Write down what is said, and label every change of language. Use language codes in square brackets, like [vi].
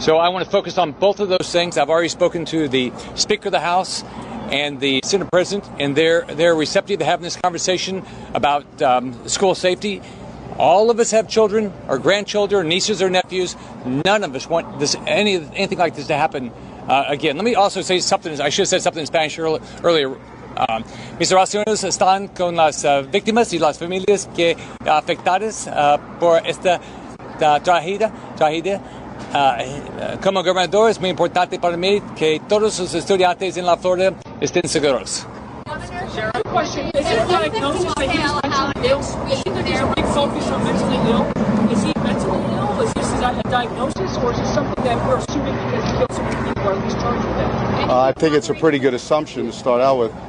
[en] So I want to focus on both of those things. I've already spoken to the Speaker of the House and the Senate President, and they're receptive to having this conversation about school safety. All of us have children, our grandchildren, nieces or nephews. None of us want anything like this to happen again. Let me also say something. I should have said something in Spanish earlier. [es] Mis oraciones están con las víctimas y las familias que afectadas por esta tragedia. Como gobernador, es muy importante para mí que todos los estudiantes en la Florida estén seguros. [en] I think it's a pretty good assumption to start out with.